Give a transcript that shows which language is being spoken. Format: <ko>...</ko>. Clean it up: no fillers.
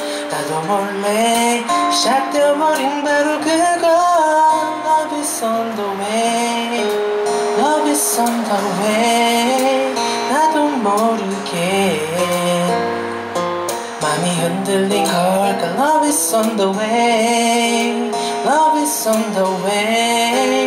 <en>나도 몰래 시작되어버린 바로 그건 Love is on the way, Love is on the way.</en> <ko>나도 모르게 맘이 흔들린 걸까.</ko> <en>Love is on the way, Love is on the way.</en>